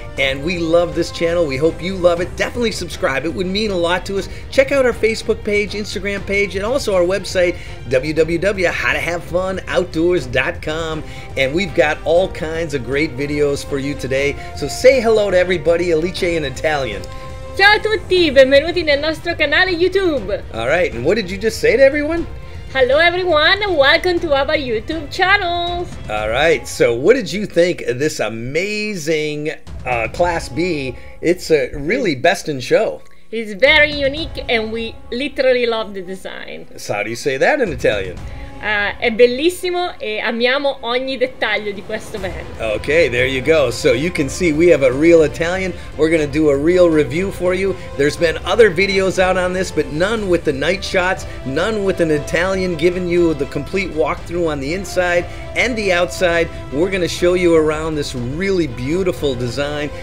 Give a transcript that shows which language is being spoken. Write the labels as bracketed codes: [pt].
[en] And we love this channel, we hope you love it. Definitely subscribe, it would mean a lot to us. Check out our Facebook page, Instagram page, and also our website, www.howtohavefunoutdoors.com. And we've got all kinds of great videos for you today. So say hello to everybody, Alice in Italian. [it] Ciao a tutti, benvenuti nel nostro canale YouTube. [en] All right, and what did you just say to everyone? Hello everyone, welcome to our YouTube channel. All right, so what did you think of this amazing Class B? It's a really best in show. It's very unique and we literally love the design. So how do you say that in Italian? [it] È bellissimo e amiamo ogni dettaglio di questo van. [en] Okay, there you go. So you can see we have a real Italian. We're gonna do a real review for you. There's been other videos out on this, but none with the night shots, none with an Italian giving you the complete walkthrough on the inside and the outside. We're gonna show you around this really beautiful design.